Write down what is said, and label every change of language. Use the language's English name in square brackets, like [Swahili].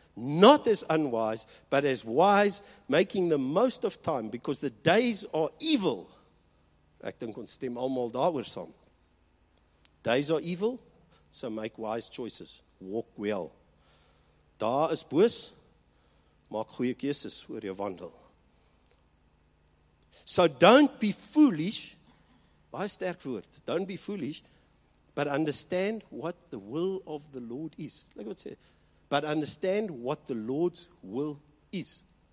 [English] Not as unwise, but as wise, making the most of time, because the days are evil. [Afrikaans] Ek dink ons stem almal daaroor saam. [English] Days are evil, so make wise choices. Walk well. [Afrikaans] Daar is boos, maak goeie keuses oor jou wandel. [English] So don't be foolish, [Afrikaans] baie sterk woord, [English] don't be foolish, but understand what the will of the Lord is. Like what it says, but understand what the Lord's will is.